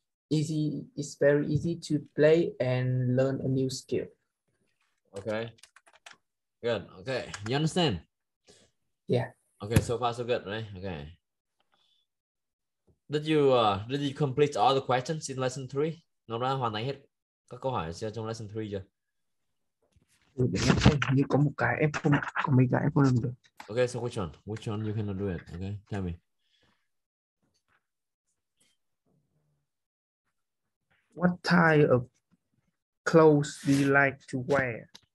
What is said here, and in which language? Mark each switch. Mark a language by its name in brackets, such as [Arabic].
[English] It's very easy to play and learn a new skill. Okay. Good. Okay. You understand? Yeah. Okay, so far so good, right? Okay. Did you complete all the questions in lesson 3? [Vietnamese] Nó đã hoàn thành hết các câu hỏi trong lesson 3 chưa? Như có một cái em không có mấy cái em không làm được. [English] Okay, so which one you cannot do it? Okay, tell me. What type of clothes do you like to wear?